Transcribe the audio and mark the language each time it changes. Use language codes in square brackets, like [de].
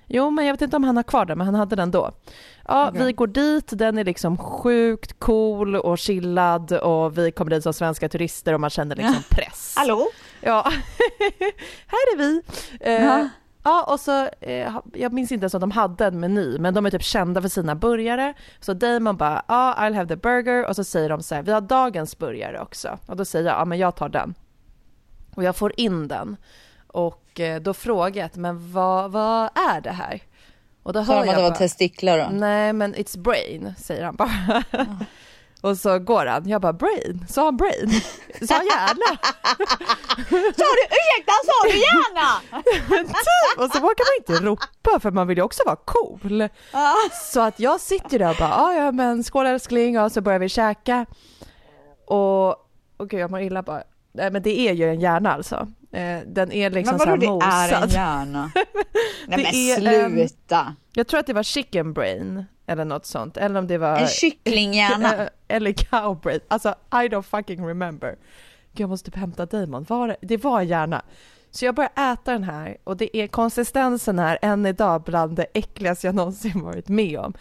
[sv] Jo, men jag vet inte om han har kvar den, men han hade den då. Ja, okay. Vi går dit. Den är liksom sjukt cool och chillad. Och vi kommer dit som svenska turister och man känner liksom press. Hallå? Ja, här är vi. Ja, och så jag minns inte ens att de hade en meny, men de är typ kända för sina burgare. Så Damon bara, [en] I'll have the burger. [sv] Och så säger de så här, vi har dagens burgare också. Och då säger jag, men jag tar den. Och jag får in den. Och då frågar jag, men vad är det här? Och då hör jag bara, det var testiklar då? Nej, men [en] it's brain, [sv] säger han bara. Och så går han. Jag bara, brain? Sa han brain? Sa han hjärna? Sa du, ursäkta, sa du hjärna? Typ. Och så vågar man inte ropa, för man vill ju också vara cool. Så att jag sitter där och bara, ja men skål älskling. Och så börjar vi käka. Och Och gud, jag mår illa bara. Men det är ju en hjärna alltså. Den är liksom så här mosad. Men vadå, det är en hjärna? Nej, men sluta. Jag tror att det var [en] chicken brain [sv] eller något sånt. Eller om det var... En kycklinghjärna. Eller [en] cow brain. [sv] Alltså, [en] I don't fucking remember. [sv] Jag måste typ hämta Damon. Det var en hjärna. Så jag börjar äta den här och det är konsistensen här än idag bland det äckligaste jag någonsin varit med om.